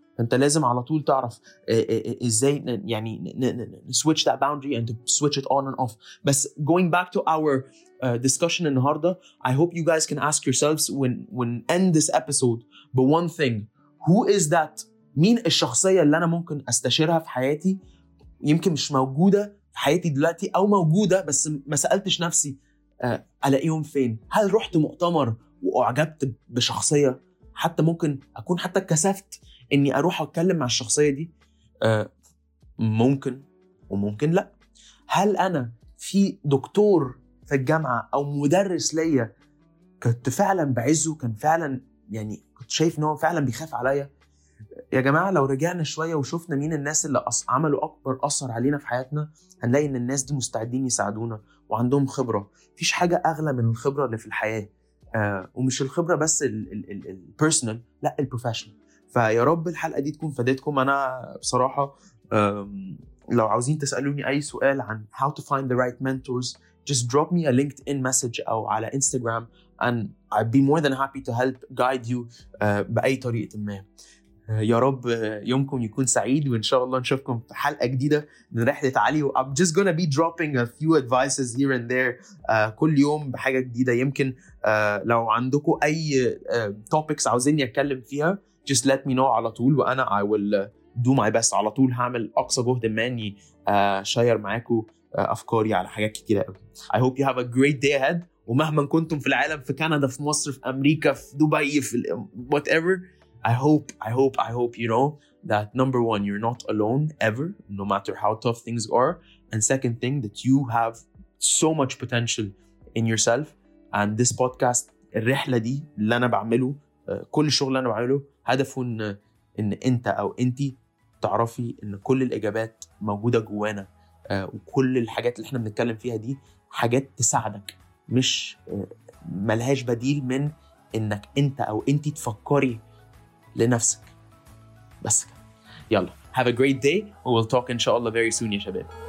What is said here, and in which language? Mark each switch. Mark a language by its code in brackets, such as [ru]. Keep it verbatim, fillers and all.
[ar] فانت لازم على طول تعرف ازاي يعني [en] switch that boundary and switch it on and off. [ar] بس [en] going back to our uh, discussion [ar] النهاردة, [en] I hope you guys can ask yourselves when, when end this episode but one thing, who is that? [ar] مين الشخصية اللي أنا ممكن أستشيرها في حياتي يمكن مش موجودة في حياتي دلوقتي أو موجودة بس ما سألتش نفسي ألاقيهم فين؟ هل رحت مؤتمر وأعجبت بشخصية حتى ممكن أكون حتى كسفت أني أروح أتكلم مع الشخصية دي؟ ممكن وممكن لأ. هل أنا في دكتور في الجامعة أو مدرس ليا كنت فعلا بعزه, كان فعلا يعني كنت شايف أنه فعلا بيخاف عليا؟ يا جماعة لو رجعنا شوية وشوفنا مين الناس اللي عملوا أكبر أثر علينا في حياتنا, هنلاقي إن الناس دي مستعدين يساعدونا وعندهم خبرة. مفيش حاجة أغلى من الخبرة اللي في الحياة, آه ومش الخبرة بس البيرسونال, لا البروفيشنال. فيا رب الحلقة دي تكون فادتكم. أنا بصراحة [en] لو عاوزين تسألوني أي سؤال عن how to find the right mentors, just drop me a LinkedIn message [ar] أو على [en] Instagram and I'd be more than happy to help guide you uh, [ar] بأي طريقة ما. uh, يا رب uh, يومكم يكون سعيد وإن شاء الله نشوفكم في حلقة جديدة من رحلة علي. [en] I'm just gonna be dropping a few advices here and there uh, [ar] كل يوم بحاجة جديدة. يمكن uh, لو عندكم أي uh, [en] topics [ar] عاوزين يتكلم فيها [en] just let me know [ar] على طول وأنا [en] I will uh, do my best. [ar] على طول هعمل أقصى جهد مني أشير معاكم أفكاري على حاجات كتيرة قوي. [en] I hope you have a great day ahead. [ar] ومهما كنتم في العالم, في كندا, في مصر, في أمريكا, في دبي, في [en] whatever, I hope, I hope, I hope you know that number one, you're not alone ever, no matter how tough things are. And second thing, that you have so much potential in yourself. And this podcast, [ar] الرحلة دي اللي أنا بعمله, كل الشغل اللي أنا بعمله, هدفه إن إن أنت أو أنتي تعرفي ان كل الاجابات موجوده جوانا, آه, وكل الحاجات اللي احنا بنتكلم فيها دي حاجات تساعدك, مش آه, ملهاش بديل من انك انت او انتي تفكري لنفسك بس. يلا [en] have a great day and we'll talk [ar] ان شاء الله [en] very soon [ar] يا شباب.